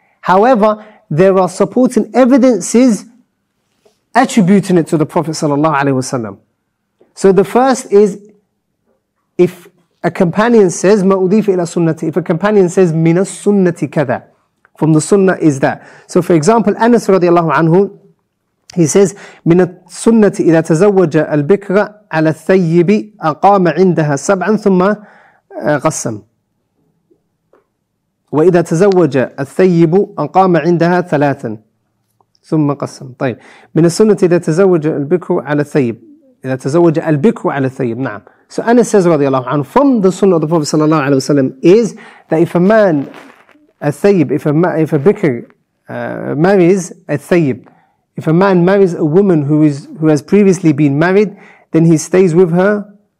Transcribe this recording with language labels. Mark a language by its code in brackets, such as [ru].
[en] However, there are supporting evidences attributing it to the Prophet ﷺ. So the first is, if a companion says, مَا أُذِيفَ إِلَى سُنَّةِ, if a companion says, [ar] مِنَ السُنَّةِ كَذَا, [en] from the sunnah is that. So for example, Anas radiallahu anhu, he says, [ar] مِنَ السُنَّةِ إِذَا تَزَوَّجَ الْبِكْرَ عَلَى الثَّيِّبِ أَقَامَ عِنْدَهَا سَبْعًا ثُمَّ غَسَّمْ. وَإِذَا تَزَوَّجَ الثَّيِّبُ أَقَامَ عِنْدَهَا ثَلَاثًا ثم قسم. طيب من السنة إذا تزوج البكر على الثيب. إذا تزوج البكر على الثيب. نعم. [en] So Anas says رضي الله عنه, from the sunnah of the Prophet صلى الله عليه وسلم is that if a man a thayyib, if a bikr marries a thayyib, if a man marries a woman who has previously been married, then he stays with her.